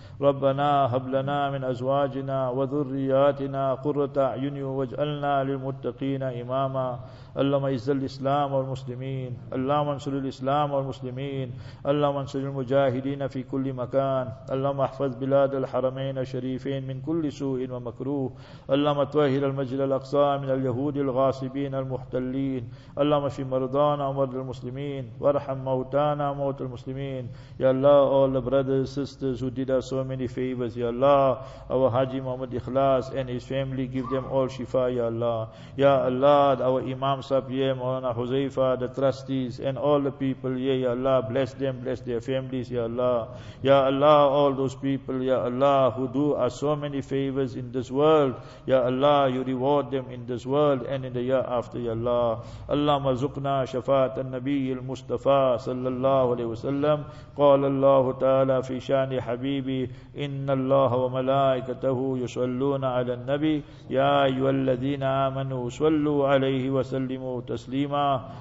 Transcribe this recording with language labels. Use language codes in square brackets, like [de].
[ar] ربنا هب لنا من أزواجنا وذرياتنا قرة أعين واجعلنا للمتقين إماما اللهم اعز الإسلام والمسلمين اللهم انصر الإسلام والمسلمين اللهم انصر المجاهدين في كل مكان اللهم احفظ بلاد الحرمين الشريفين من كل سوء ومكروه اللهم طهر إلى المسجد الأقصى من اليهود الغاصبين المحتلين. اللهم اشف مرضانا ومرضى المسلمين وارحم موتانا وموتى المسلمين. يا الله, [en] all the brothers and sisters who did us so many favors, يا الله, our Haji Muhammad Ikhlas and his family, give them all shifa, يا الله. [ar] يا الله, [en] our Imam Safiye, Mawlana Huzaifa, the trustees and all the people, يا الله, bless them, bless their families, يا الله. [ar] يا الله, [en] all those people, يا الله, who do us so many favors in this world, يا الله, you reward them in this world and in the year after, يا الله. [ar] اللهم ارزقنا شفاعة النبي المصطفى صلى الله عليه وسلم. قال الله تعالى في شان حبيبي, إن الله وملائكته يصلون على النبي, يا أيها الذين آمنوا صلوا عليه وسلموا تسليما.